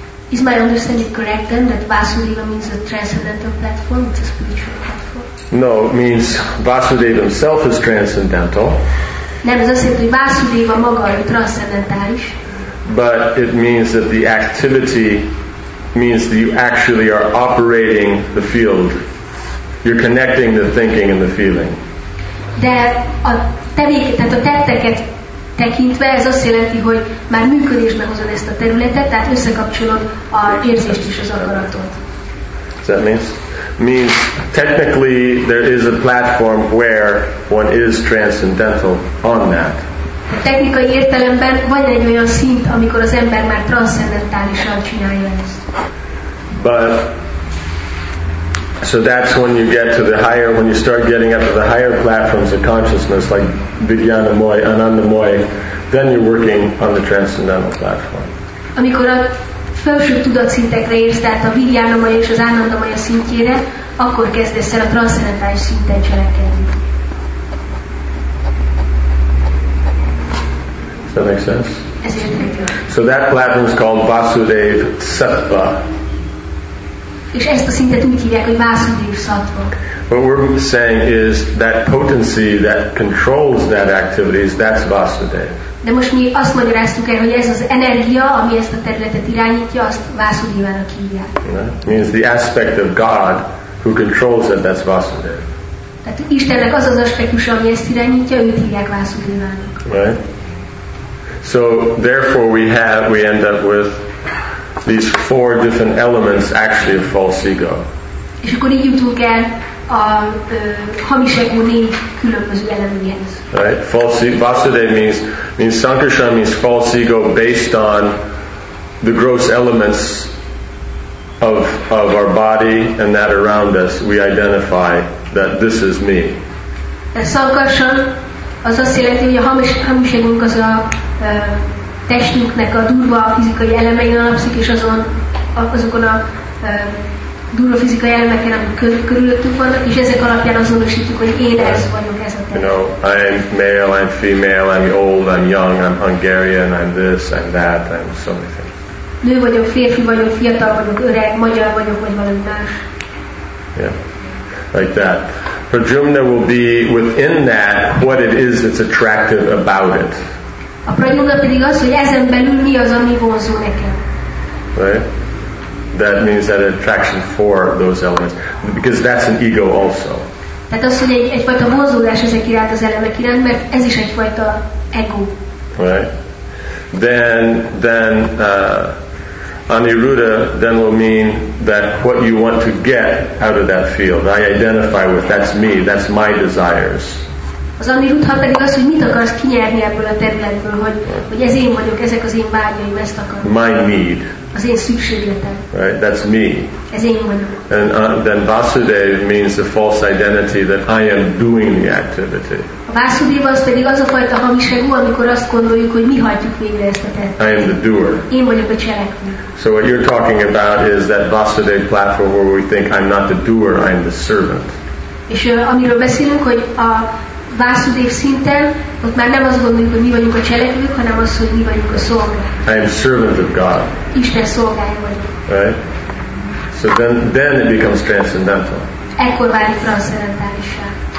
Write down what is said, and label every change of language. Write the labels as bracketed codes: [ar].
[en] Is my understanding correct then that Vasudeva means a transcendental platform, it's a spiritual platform? No, it means Vasudeva himself is transcendental. [hu] Nem, ez azt jelenti, hogy Vasudeva maga a transcendentális. [en] But it means that the activity means that you actually are operating the field. You're connecting the thinking and the feeling. [hu] De a tehát a tetteket tekintve ez azt jelenti, hogy már működésbe hozod ezt a területet, tehát összekapcsolod a érzést és az akaratot. [en] Does that means technically there is a platform where one is transcendental on that. [hu] A technikai értelemben van egy olyan szint, amikor az ember már transzendentálisan csinálja ezt. [en] But so that's when you get to the higher, when you start getting up to the higher platforms of consciousness, like Vidyanamoy, Anandamoy, then you're working on the transcendental platform. [hu] Amikor a felső tudatszintekre érsz, tehát a Vidyanamoy és az Anandamoy szintjére, akkor kezdesz el a transzcendentális szinten cselekedni. [en] Does that make sense? So that platform is called Vasudev Sattva. [hu] És ezt a szintet úgy hívják, hogy Vasudev Sattva. [en] What we're saying is that potency that controls that activity is that's Vasudev. [hu] De most mi azt magyaráztuk el, hogy ez az energia, ami ezt a területet irányítja, azt Vasudevának hívják. [en] Yeah. Means the aspect of God who controls it, that's Vasudev. [hu] Tehát Istennek az az aspektus, ami ezt irányítja, őt hívják Vasudevának. [en] Right. So therefore we end up with these four different elements actually a false ego. [hu] És akkor így jutunk el a hamis ego négy különböző eleméhez. [en] Right, false ego. Vasudev means Sankarsan means false ego based on the gross elements of our body and that around us. We identify that this is me. [hu] Sankarsan az azt jelenti, hogy a hamis egónk az a testünknek a durva fizikai elemein alapszik, és azon, azokon a durva fizikai elemekkel, amik körülöttünk vannak, és ezek alapján azonosítjuk, hogy én ez vagyok, ez a [en] te. You know, I'm male, I'm female, I'm old, I'm young, I'm Hungarian, I'm this, I'm that, I'm so many things. [hu] Nő vagyok, férfi vagyok, fiatal vagyok, öreg, magyar vagyok, vagy valami más. [en] Yeah, like that. Prajumna will be within that what it is that's attractive about it. [hu] A prajumna pedig az, hogy ezen belül mi az, ami vonzó nekem. [en] Right? That means that attraction for those elements, because that's an ego also. [hu] Tehát az, hogy egyfajta vonzódás ezek iránt az elemek iránt, mert ez is egyfajta ego. [en] Right? Aniruddha then will mean that what you want to get out of that field, I identify with, that's me, that's my desires. [hu] Az aniruddha pedig az, hogy mit akarsz kinyerni ebből a területből, hogy ez én vagyok, ezek az én vágyaim, ezt akarom. [en] My need. [hu] Az én szükségletem. [en] Right, that's me. [hu] Ez én vagyok. [en] And then Vasudeva means the false identity that I am doing the activity. [hu] A Vasudeva az pedig az a fajta hamiság, amikor azt gondoljuk, hogy mi hajtjuk végre ezt a tettet. [en] I am the doer. [hu] Én vagyok a cselekvő. [en] So what you're talking about is that Vasudeva platform where we think I'm not the doer, I'm the servant. [hu] És amiről beszélünk, hogy a Vasudeva szinten, ott már nem azt gondoljuk, hogy mi vagyunk a cselekvők, hanem azt, hogy mi vagyunk a szolgák. [en] I am servant of God. [hu] Isten szolgája vagyok. [en] Right? So then it becomes transcendental. [hu] Ekkor válik transzcendentálissá.